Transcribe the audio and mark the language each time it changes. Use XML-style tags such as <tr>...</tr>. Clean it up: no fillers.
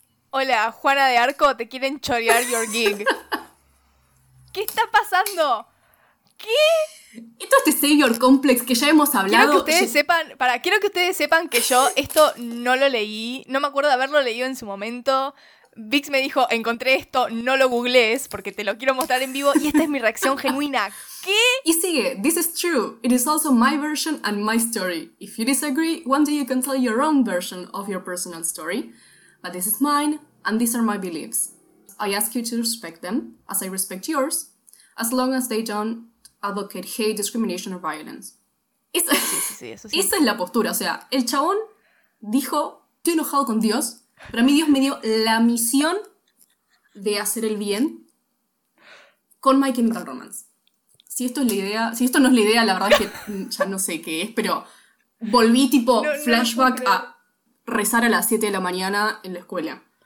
<es>Hola, Juana de Arco, te quieren chorear</es> <en>your gig.</en> <es>¿Qué está pasando? ¿Qué? Esto es este Savior Complex que ya hemos hablado. Quiero que ustedes sepan, quiero que ustedes sepan que yo esto no lo leí, no me acuerdo de haberlo leído en su momento. Vix me dijo, encontré esto, no lo googlees porque te lo quiero mostrar en vivo y esta es mi reacción genuina. ¿Qué? Y sigue,</es> <en>this is true, it is also my version and my story. If you disagree, one day you can tell your own version of your personal story. But this is mine, and these are my beliefs. I ask you to respect them, as I respect yours, as long as they don't advocate hate, discrimination or violence.</en> <es>Esa es la postura, o sea, el chabón dijo, estoy enojado con Dios, pero a mí Dios me dio la misión de hacer el bien con My Chemical Romance. Si esto es la idea, si esto no es la idea, la verdad es que ya no sé qué es, pero volví tipo flashback a rezar a las 7 de la mañana en la escuela.</es>